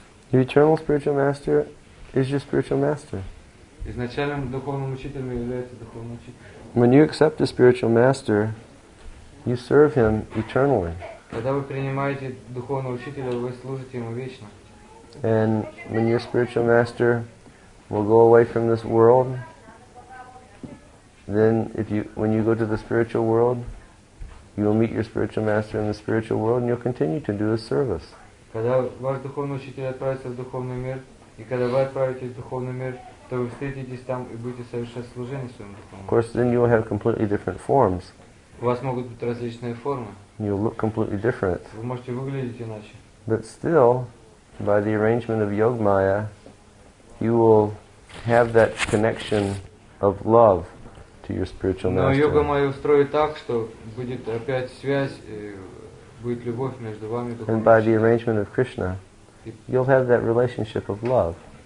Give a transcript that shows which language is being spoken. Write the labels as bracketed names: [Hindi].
[English] Your eternal spiritual master is your spiritual master. [Russian] Изначальным духовным учителем является духовный учитель. [English] When you accept a spiritual master, you serve him eternally. [Russian] Когда вы принимаете духовного учителя, вы служите ему вечно. [English] And when your spiritual master will go away from this world, then if you when you go to the spiritual world, you will meet your spiritual master in the spiritual world, and you'll continue to do his service. [Russian] Когда ваш духовный учитель отправится в духовный мир, и когда вы отправитесь в духовный мир, то вы встретитесь там и будете совершать служение своему духовному. [English] Of course, then you will have completely different forms. [Russian] У вас могут быть различные формы. [English] You'll look completely different. [Russian] Вы можете выглядеть иначе. [English] But still, by the arrangement of Yogmaya, you will have that connection of love to your spiritual master. [Russian] Но Йогамая устроит так, что будет опять связь. [English] And by the arrangement of Krishna, you'll have that relationship of love.